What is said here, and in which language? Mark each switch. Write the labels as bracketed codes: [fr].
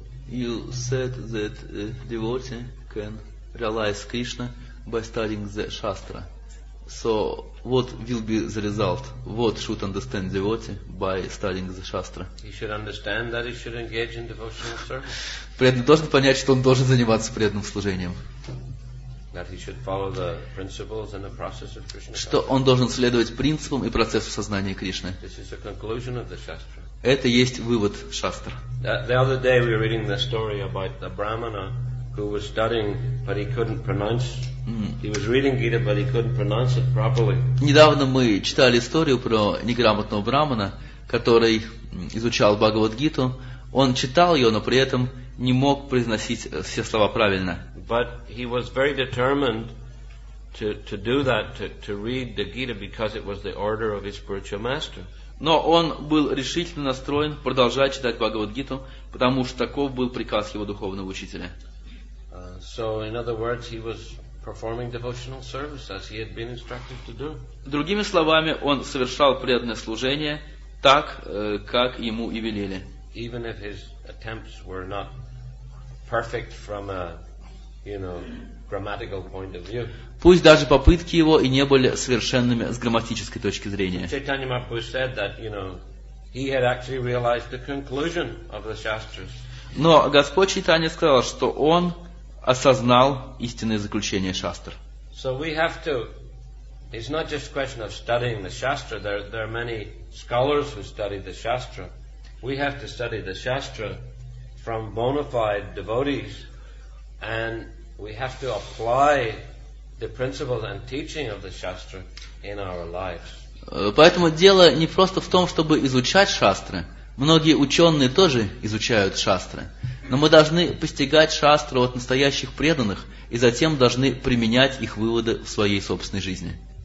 [en] You said that a devotee can realize Krishna by studying the Shastra. So, what will be the result? What should understand devotee by studying the Shastra? He should understand that he should engage in devotional service. [ru] Преданный должен понять, что он должен заниматься преданным служением. [en] That he should follow the principles and the process of Krishna. [ru] Что он должен следовать принципам и процессу сознания Кришны. [en] This is the conclusion of the Shastra. [ru] Это есть вывод шастр. [en] The other day we were reading the story about the Brahmana who was studying, but he couldn't pronounce. He was reading Gita, but he couldn't pronounce it properly. [ru] Недавно мы читали историю про неграмотного брахмана, который изучал Бхагавад-гиту. Он читал ее, но при этом не мог произносить все слова правильно. [en] But he was very determined to do that, to read the Gita, because it was the order of his spiritual master. [ru] Но он был решительно настроен продолжать читать Бхагавад-гиту, потому что таков был приказ его духовного учителя. [en] So, in other words, he was performing devotional service, as he had been instructed to do. [ru] Другими словами, он совершал преданное служение так, как ему и велели. [en] Even if his attempts were not perfect from a, you know, grammatical point of view. [ru] Пусть даже попытки его и не были совершенными с грамматической точки зрения. [en] Чайтанья Махапрабху said that, you know, he had actually realized the conclusion of the Shastras. [ru] Но Господь Чайтанья сказал, что он осознал истинное заключение Шастр. [en] So we have to, it's not just a question of studying the Shastra, there are many scholars who study the Shastra. We have to study the Shastra from bona fide devotees, and we have to apply the principles and teaching of the Shastra in our lives. [ru] Поэтому дело не просто в том, чтобы изучать шастры. Многие ученые тоже изучают шастры. Но мы должны постигать шастры от настоящих преданных и затем должны применять их выводы в своей собственной жизни.